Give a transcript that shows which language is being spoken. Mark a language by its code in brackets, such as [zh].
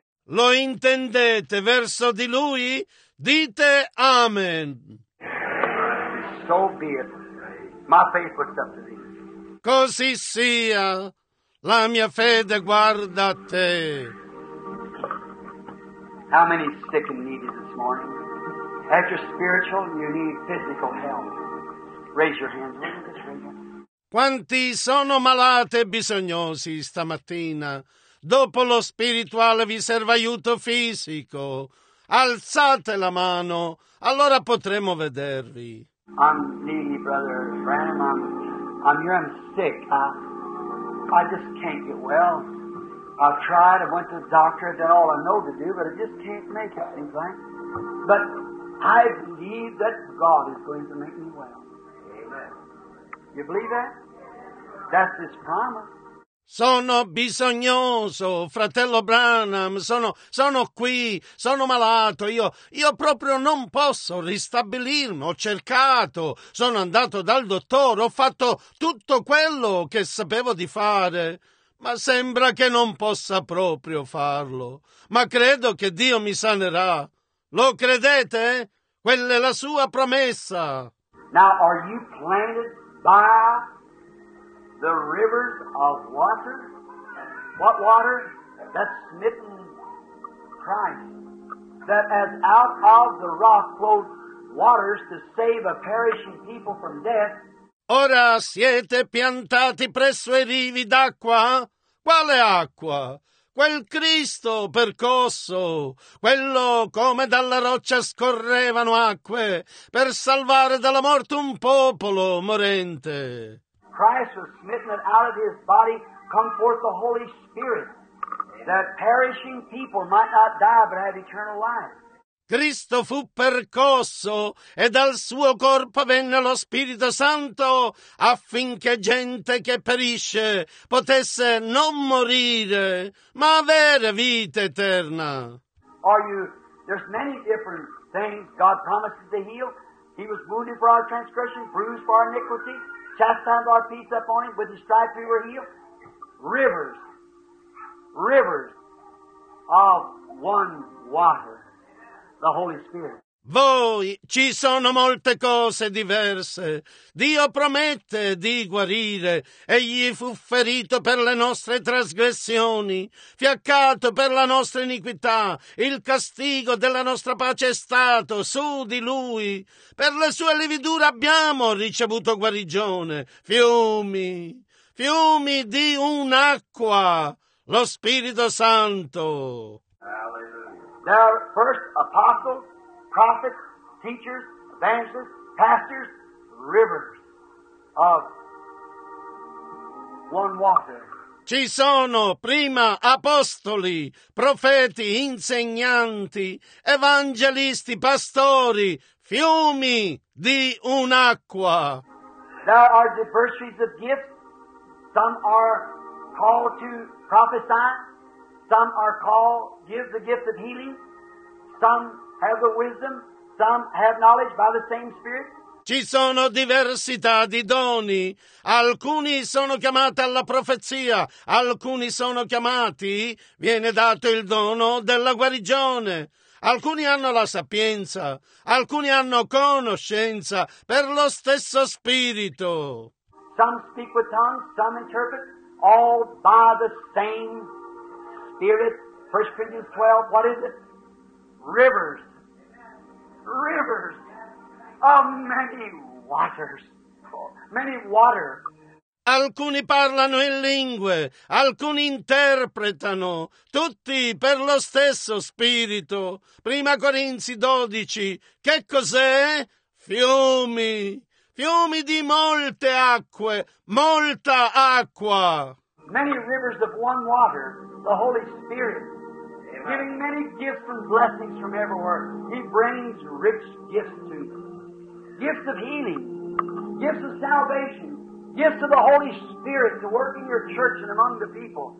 [it] Lo intendete verso di lui? Dite amen. [en] So be it. My faith puts up to thee. [it] Così sia, la mia fede guarda a te. [en] How many sick and needy this morning? At your spiritual, you need physical health. Raise your hands. [it] Quanti sono malati e bisognosi stamattina? Dopo lo spirituale vi serve aiuto fisico. Alzate la mano, allora potremo vedervi. [en] I'm needy, brother Branham. I'm here, I'm sick. I just can't get well. I've tried, I went to the doctor, I've done all I know to do, but I just can't make it, things like. But I believe that God is going to make me well. Amen. You believe that? That's His promise. [it] Sono bisognoso, fratello Branham, sono qui, sono malato, io proprio non posso ristabilirmi, ho cercato, sono andato dal dottore, ho fatto tutto quello che sapevo di fare, ma sembra che non possa proprio farlo, ma credo che Dio mi sanerà, lo credete? Quella è la sua promessa. [en] Now are you planted by the rivers of water? What water? That smitten Christ. That as out of the rock flowed waters to save a perishing people from death. [it] Ora siete piantati presso i rivi d'acqua? Quale acqua? Quel Cristo percosso, quello come dalla roccia scorrevano acque per salvare dalla morte un popolo morente. [en] Christ was smitten that out of his body come forth the Holy Spirit, that perishing people might not die but have eternal life. [it] Cristo fu percosso e dal suo corpo venne lo Spirito Santo affinché gente che perisce potesse non morire ma avere vita eterna. [en] Are you? There's many different things God promises to heal. He was wounded for our transgression, bruised for our iniquity. Chastised our peace upon him, with his stripes we were healed. Rivers, rivers of one water, the Holy Spirit. [it] Voi, ci sono molte cose diverse. Dio promette di guarire. Egli fu ferito per le nostre trasgressioni, fiaccato per la nostra iniquità. Il castigo della nostra pace è stato su di Lui. Per le sue lividure abbiamo ricevuto guarigione. Fiumi, fiumi di un'acqua, lo Spirito Santo. [en] Now, first apostle. Prophets, teachers, evangelists, pastors, rivers of one water. [it] Ci sono prima apostoli, profeti, insegnanti, evangelisti, pastori, fiumi di un'acqua. [en] There are diversities of gifts. Some are called to prophesy. Some are called to give the gift of healing. Some have the wisdom, some have knowledge by the same Spirit. [it] Ci sono diversità di doni. Alcuni sono chiamati alla profezia, alcuni sono chiamati, viene dato il dono della guarigione. Alcuni hanno la sapienza, alcuni hanno conoscenza per lo stesso Spirito. [en] Some speak with tongues, some interpret, all by the same Spirit. 1 Corinthians 12, what is it? Rivers. Rivers of many waters, many water. [it] Alcuni parlano in lingue, alcuni interpretano, tutti per lo stesso Spirito. Prima Corinzi 12, che cos'è? Fiumi, fiumi di molte acque, molta acqua. [en] many rivers of one water, the Holy Spirit, amen, giving many gifts and blessings from everywhere. He brings rich gifts to you. Gifts of healing, gifts of salvation, gifts of the Holy Spirit to work in your church and among the people.